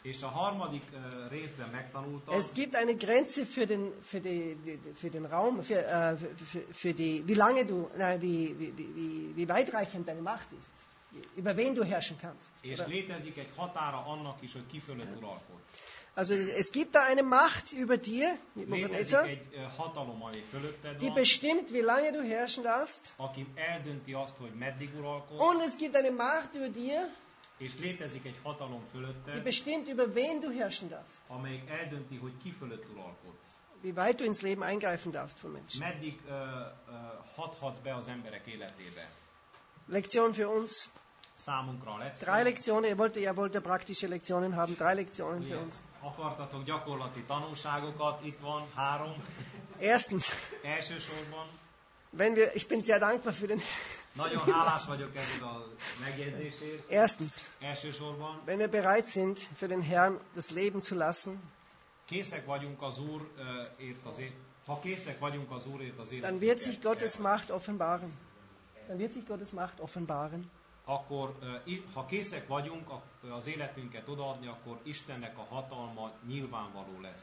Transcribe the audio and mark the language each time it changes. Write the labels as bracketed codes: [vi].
[hu] És a harmadik részben megtanultad. [de] Es gibt eine Grenze für den Raum, wie weitreichend deine Macht ist, über wen du herrschen kannst. [hu] És létezik egy határa annak is, hogy ki fölött uralkodsz. [de] Also es gibt da eine Macht über dir, [hu] egy hatalom, ami fölötted van, [de] die bestimmt, wie lange du herrschen darfst. [hu] Aki eldönti azt, hogy meddig uralkodsz. [de] Und es gibt eine Macht über dir. [hu] És létezik egy hatalom fölötted, [de] die bestimmt, über wen du herrschen darfst. [hu] Amelyik eldönti, hogy ki fölött uralkodsz. [de] Wie weit du ins Leben eingreifen darfst von Menschen. [hu] Meddig hathatsz be az emberek életébe. [de] Lektion für uns. [hu] Számunkra lett. [de] 3 Lektionen, er wollte praktische Lektionen haben, 3 Lektionen für uns. [hu] Akartatok gyakorlati tanulságokat, itt van, 3. [de] Erstens. [hu] Elsősorban. [de] Ich bin sehr dankbar für den... [hu] Nagyon hálás vagyok ezért a megjegyzésért. [de] Erstens, [hu] elsősorban, [de] wenn wir bereit sind, für den Herrn das Leben zu lassen, [hu] készek vagyunk az Úrért az ha készek vagyunk az Úrért az életet, [de] dann wird sich Gottes Macht offenbaren. Dann wird sich Gottes Macht offenbaren. [hu] akkor ha készek vagyunk az életünket odaadni, akkor Istennek a hatalma nyilvánvaló lesz.